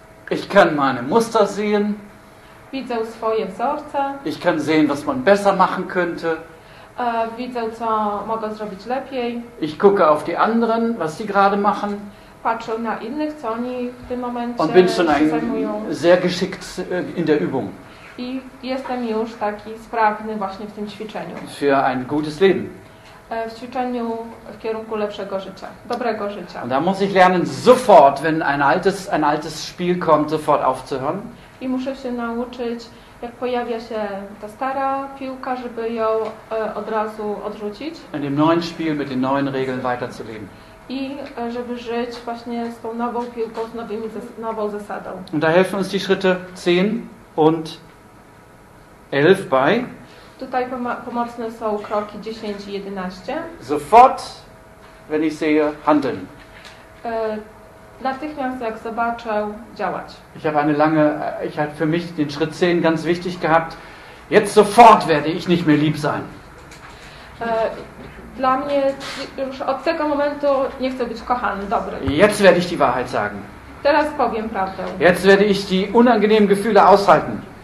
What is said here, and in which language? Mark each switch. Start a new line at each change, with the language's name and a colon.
German: Ich kann meine Muster sehen.
Polish: Widzę swoje wzorce.
German: Ich kann sehen, was man besser machen könnte.
Polish: Widzę, co mogę zrobić lepiej.
German: Ich gucke auf die anderen, was sie gerade machen.
Polish: Patrzę na innych, co oni w tym momencie
German: und bin schon
Polish: ein, zajmują.
German: Sehr geschickt in der Übung.
Polish: I jestem już taki sprawny właśnie w tym ćwiczeniu.
German: Für ein gutes Leben.
Polish: w ćwiczeniu w kierunku lepszego życia, dobrego życia.
German: Da muss ich lernen sofort, wenn ein altes Spiel kommt, sofort aufzuhören.
Polish: I muszę się nauczyć, jak pojawia się ta stara piłka, żeby ją od razu odrzucić.
German: In dem neuen Spiel mit den neuen Regeln weiterzuleben.
Polish: I żeby żyć właśnie z tą nową piłką, z nowymi nową zasadą.
German: Und da helfen uns die Schritte 10 und 11 bei.
Polish: Tutaj pomocne są kroki 10 i 11.
German: Sofort, wenn ich sehe, handeln.
Polish: Natychmiast jak zobaczę, działać.
German: Ich habe eine lange, ich habe für mich den Schritt 10 ganz wichtig gehabt. Jetzt sofort werde ich nicht mehr lieb sein.
Polish: Dla mnie już od tego momentu nie chcę być kochany, dobry.
German: Jetzt werde ich die Wahrheit sagen.
Polish: Teraz powiem prawdę.
German: Jetzt werde ich die unangenehmen Gefühle aushalten.